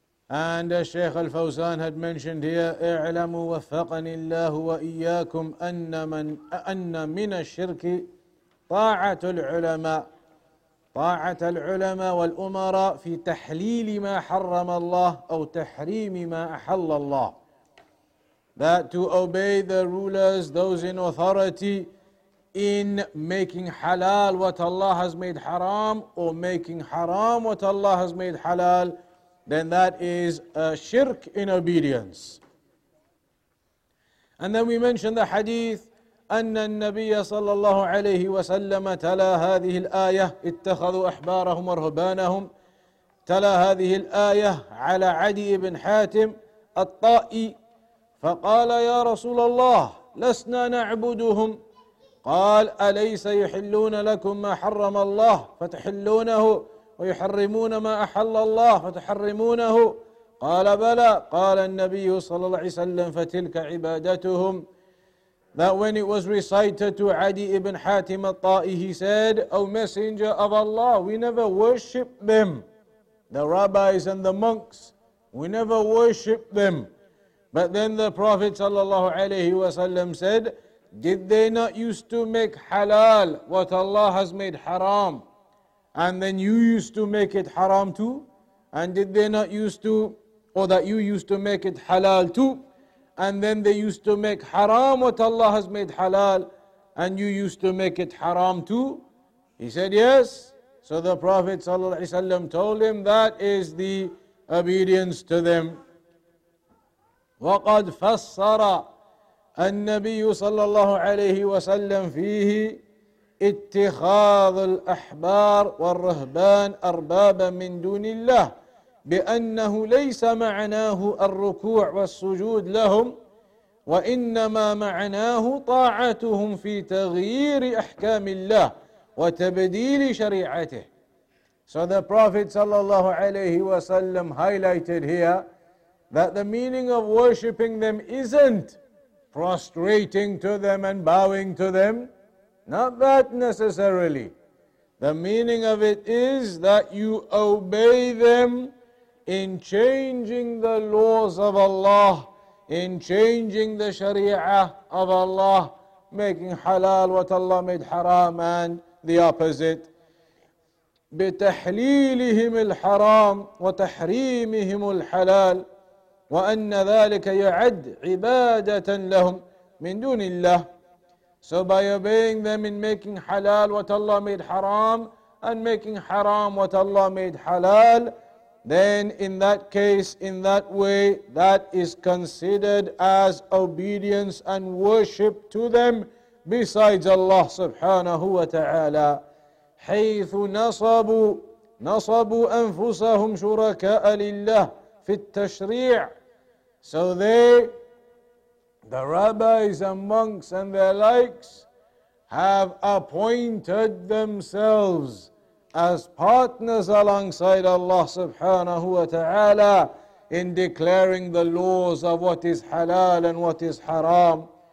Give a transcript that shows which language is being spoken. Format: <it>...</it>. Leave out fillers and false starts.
<en>And as Shaykh Al-Fawzan had mentioned here,</en> <ar>اعلموا وفقني الله وإياكم أن من الشرك طاعة العلماء طاعة العلماء والأمراء في تحليل ما حرم الله أو تحريم ما أحل الله.</ar> <en>That to obey the rulers, those in authority, in making halal what Allah has made haram, or making haram what Allah has made halal, then that is a shirk in obedience. And then we mention the hadith,</en> <ar>أَنَّ النَّبِيَّ صَلَّى اللَّهُ عَلَيْهِ وَسَلَّمَ تَلَى هَذِهِ الْآيَةِ اتَّخَذُوا أَحْبَارَهُمْ وَرْهُبَانَهُمْ تَلَى هَذِهِ الْآيَةِ عَلَى عَدِي بْنِ حَاتِمِ الطَّائِي فَقَالَ يَا رَسُولَ اللَّهِ لَسْنَا نَعْبُدُهُمْ قَالَ أَلَيْسَ يُحِلُّونَ لَكُمْ مَا حَرَّمَ اللَّهُ فَتَحِلُّونَهُ ويحرمون ما أحل الله فتحرمونه. قال بلى. قال النبي صلى الله عليه وسلم فتلك عبادتهم.</ar> <en>That when it was recited to Adi ibn Hatim al-Ta'i, he said, O Messenger of Allah, we never worship them, the rabbis and the monks, we never worship them. But then the Prophet</en> <ar>صلى الله عليه وسلم</ar> <en>said, did they not used to make halal what Allah has made haram, and then you used to make it haram too? And did they not used to, or that you used to make it halal too, and then they used to make haram what Allah has made halal, and you used to make it haram too? He said yes. So the Prophet sallallahu alaihi wasallam told him, that is the obedience to them.</en> <ar>وَقَدْ فَصَّرَ النَّبِيُّ صَلَّى اللَّهُ عَلَيْهِ وَسَلَّمْ فِيهِ اتخاذ الأحبار والرهبان أربابا من دون الله بأنه ليس معناه الركوع والسجود لهم وإنما معناه طاعتهم في تغيير أحكام الله وتبديل شريعته.</ar> <en>So the Prophet</en> <ar>صلى الله عليه وسلم</ar> <en>highlighted here that the meaning of worshipping them isn't prostrating to them and bowing to them. Not that necessarily. The meaning of it is that you obey them in changing the laws of Allah, in changing the sharia of Allah, making halal what Allah made haram, and the opposite.</en> <ar>بتحليلهم الحرام وتحريمهم الحلال وأن ذلك يعد عبادة لهم من دون الله.</ar> <en>So by obeying them in making halal what Allah made haram, and making haram what Allah made halal, then in that case, in that way, that is considered as obedience and worship to them besides Allah subhanahu wa ta'ala.</en> <ar>حيث نصبوا أنفسهم شركاء لله في التشريع.</ar> <en>So they the rabbis and monks and their likes have appointed themselves as partners alongside Allah subhanahu wa ta'ala in declaring the laws of what is halal and what is haram.</en>